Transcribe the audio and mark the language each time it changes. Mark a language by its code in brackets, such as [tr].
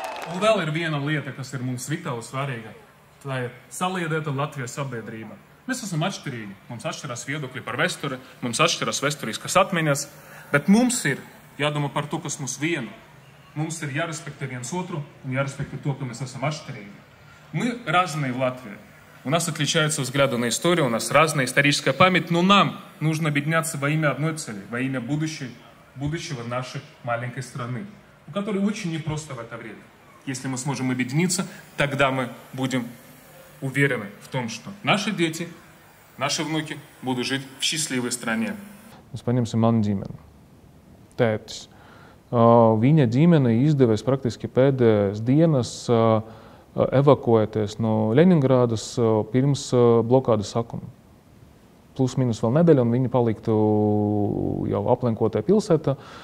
[lv] Un vēl ir viena lieta, kas ir mums vitāli svarīga. Tā ir saliedēta Latvijas sabiedrība. Mēs esam atšķirīgi. Mums atšķirās viedokļi par vēsturi, mums atšķirās vēsturiskas atmiņas, bet mums ir jādomā par to, kas mums vienu. Mums ir jārespektē viens otru un jārespektē to, ka mēs esam atšķirīgi. [ru] Мы разные в Латвии. У нас отличаются взгляды на историю, у нас разная историческая память, но нам нужно объединяться во имя одной цели, во имя будущего нашей маленькой страны, у которой очень непросто в это время. Если мы сможем объединиться, тогда мы будем уверены в том, что наши дети, наши внуки будут жить в счастливой стране. Господин Симон Димен. [lv] Tētis. Viņa ģimene izdevēs praktiski pēdējās dienas evakuēties no Leningrādas pirms blokādes sākuma. Plus minus vēl nedēļa, un viņi paliktu jau aplenkotajā pilsētā.